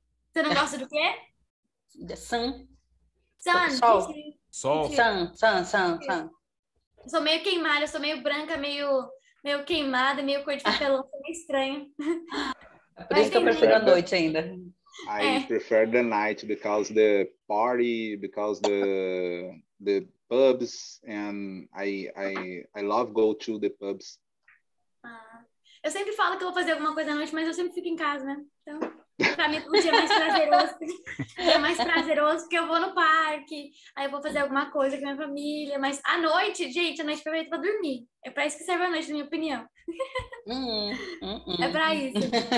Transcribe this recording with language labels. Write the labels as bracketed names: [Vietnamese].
[Portuguese] Você não gosta do quê? [English] The sun. Sun. [Portuguese] Sol. Sol. [English] Sun, sun, sun, sun. [Portuguese] Eu sou meio queimada, eu sou meio branca, meio queimada, meio cor de papelão, meio estranho. Por isso que eu prefiro a noite ainda. [English] I prefer the night because the party, because the pubs, and I love go to the pubs. [Portuguese] Ah, eu sempre falo que eu vou fazer alguma coisa à noite, mas eu sempre fico em casa, né? Então, pra mim, o dia é mais prazeroso. É mais prazeroso porque eu vou no parque, aí eu vou fazer alguma coisa com a minha família, mas à noite, gente, a noite é pra dormir. É pra isso que serve a noite, na minha opinião. É pra isso.